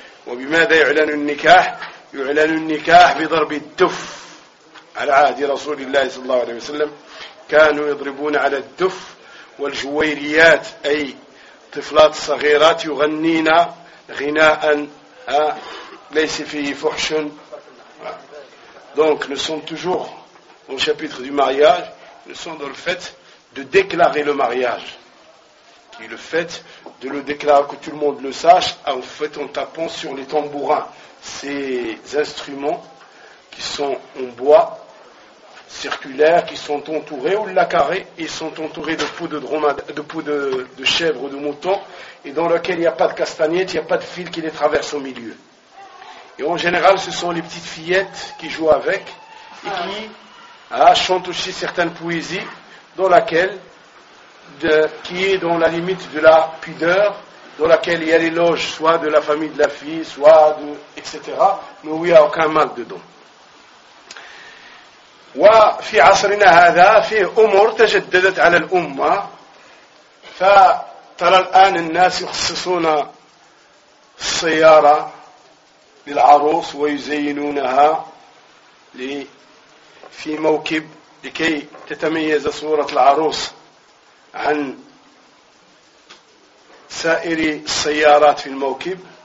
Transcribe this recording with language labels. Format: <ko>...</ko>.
<ar>وبماذا يعلن النكاح؟ يعلن النكاح بضرب الدف، على عهد رسول الله صلى الله عليه وسلم كانوا يضربون على الدف، والجويريات أي طفلات صغيرات يغنين غناء ليس فيه فحش.</ar> <fr>Donc nous sommes toujours au chapitre du mariage, nous sommes dans le fait de déclarer le mariage, qui est le fait de le déclarer, que tout le monde le sache, en fait en tapant sur les tambourins, ces instruments qui sont en bois circulaires, qui sont entourés ou la carré, ils sont entourés de peau de dromadaire, de peau de chèvre ou de mouton, et dans lequel il n'y a pas de castagnette, il n'y a pas de fil qui les traverse au milieu. Et en général, ce sont les petites fillettes qui jouent avec et qui chantent aussi certaines poésies dans laquelle qui est dans la limite de la pudeur, dans laquelle il y a l'éloge soit de la famille de la fille, soit de etc. Mais où il n'y a aucun mal dedans.</fr> <ar>وفي عصرنا هذا فيه أمور تجددت على الأمة، فترى الآن الناس يخصصون السيارة للعروس ويزينونها في موكب لكي تتميز صورة العروس عن سائر السيارات في الموكب.</ar>